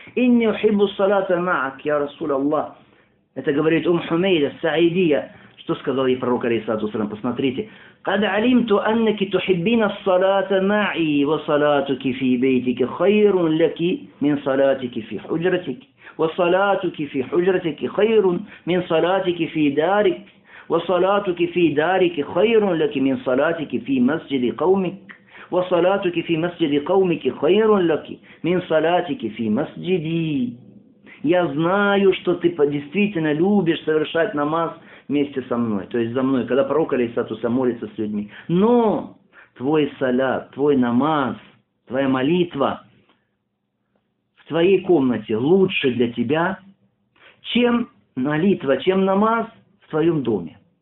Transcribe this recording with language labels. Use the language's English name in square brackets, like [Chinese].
[Arabic] «Инни ухиббу салата маак, я Расул Аллах». [Russian] Это говорит Хумейда Саидия. Что сказал ей пророк, алейхиссалату вассалам? Посмотрите. [Arabic] «Кад алимту аннаки тухиббина салата маи, ва салатуки фи бейтики хайрун ляки мин салатики фи худжратики, ва салатуки фи худжратики хайрун мин салатики фи дарик». وصلاتك في دارك خير لك من صلاتك في مسجد قومك وصلاتك في مسجد قومك خير لك من صلاتك في مسجدي. [Russian] Я знаю, что ты действительно любишь совершать намаз вместе со мной, то есть за мной, когда пророк алейхиссалям молится с людьми. Но твой салат, твой намаз, твоя молитва в твоей комнате лучше для тебя, чем молитва, чем намаз в твоем доме.